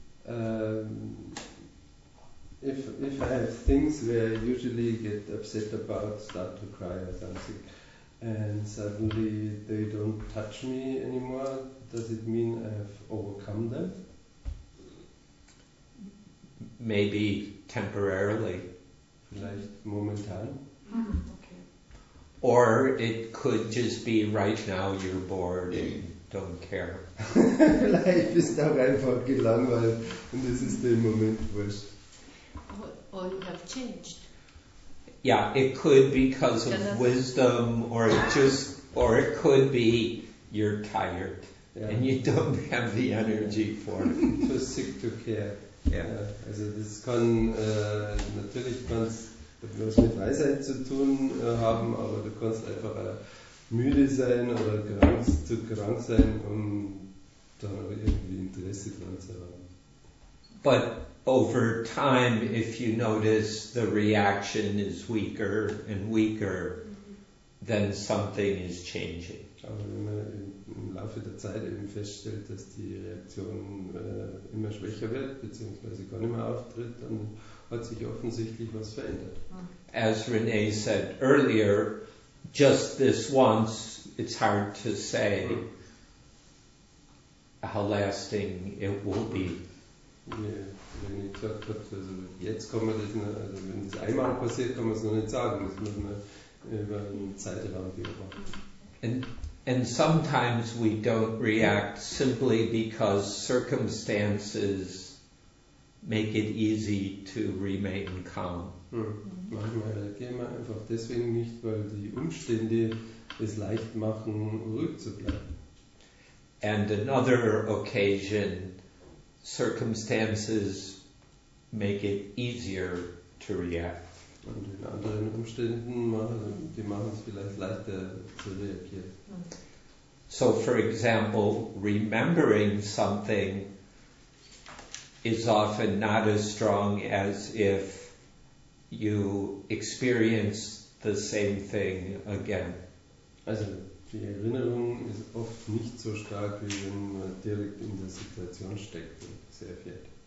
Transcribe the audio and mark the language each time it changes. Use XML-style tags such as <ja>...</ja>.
<en>if I have things where I usually get upset about, start to cry or something, and suddenly they don't touch me anymore, does it mean I have overcome them? Maybe temporarily.</en> <de>Vielleicht momentan.</de> <en>Or it could just be right now you're bored and don't care.</en> <de>Vielleicht bist du auch einfach gelangweilt und das ist der Moment, wo es...</de> <en>Or you have changed. Yeah, it could because of wisdom, or it could be you're tired and you don't have the energy for it. Too sick to care. Yeah.</en> <de>Also das kann natürlich ganz... was mit Weisheit zu tun haben, aber du kannst einfach müde sein oder zu krank sein, um da irgendwie Interesse dran zu haben.</de> <en>But over time, if you notice the reaction is weaker and weaker, then something is changing.</en> <de>Aber wenn man im Laufe der Zeit eben feststellt, dass die Reaktion immer schwächer wird, beziehungsweise gar nicht mehr auftritt, dann hat sich offensichtlich was verändert.</de> <en>As Renee said earlier, just this once, it's hard to say how lasting it will be.</en> <de>Yeah, wenn ich gesagt habe, also jetzt kann man das, also wenn es einmal passiert, kann man es noch nicht sagen, das muss man über einen Zeitraum beobachten.</de> <en>And sometimes we don't react simply because circumstances make it easy to remain calm.</en> <de>Manchmal reagieren wir einfach deswegen nicht, weil die Umstände es leicht machen, ruhig zu bleiben.</de> <en>And another occasion, circumstances make it easier to react.</en> <de>Und in anderen Umständen, die machen es vielleicht leichter zu reagieren.</de> <en>So, for example, remembering something is often not as strong as if you experience the same thing again.</en> <de>Also, die Erinnerung ist oft nicht so stark, wie wenn man direkt in der Situation steckt und sie erfährt.</de>